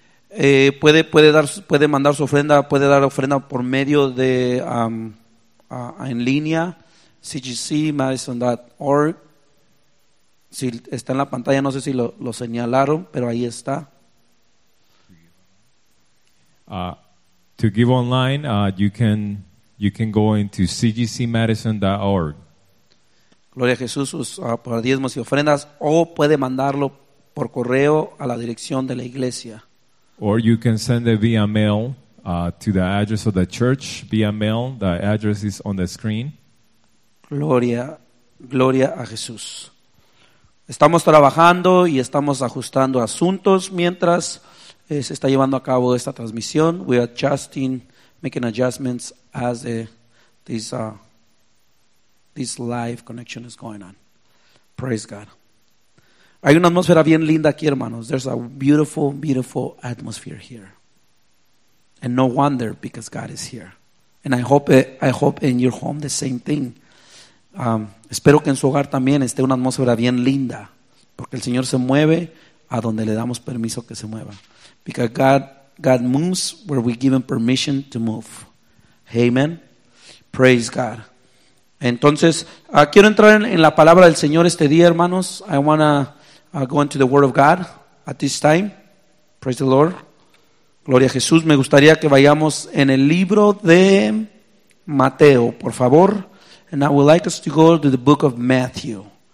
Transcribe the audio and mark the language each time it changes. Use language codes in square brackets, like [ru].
[es] Puede mandar su ofrenda, puede dar ofrenda por medio de en línea cgcmadison.org. Si está en la pantalla, no sé si lo señalaron, pero ahí está. [en] To give online, you can go into cgcmadison.org. [es] Gloria a Jesús, por diezmos y ofrendas, o puede mandarlo por correo a la dirección de la iglesia. [en] Or you can send it via mail to the address of the church, via mail, the address is on the screen. [es] Gloria a Jesús. Estamos trabajando y estamos ajustando asuntos mientras se está llevando a cabo esta transmisión. [en] We are making adjustments as this live connection is going on. Praise God. [es] Hay una atmósfera bien linda aquí, hermanos. [en] There's a beautiful, beautiful atmosphere here. And no wonder, because God is here. And I hope in your home the same thing. [es] Espero que en su hogar también esté una atmósfera bien linda, porque el Señor se mueve a donde le damos permiso que se mueva. [en] Because God moves where we give him permission to move. Amen. Praise God. [es] Entonces, quiero entrar en la palabra del Señor este día, hermanos. [en] I want to go into the word of God at this time. Praise the Lord. [es] Gloria a Jesús. Me gustaría que vayamos en el libro de Mateo, por favor. [en] And I would like us to go to the book of Matthew.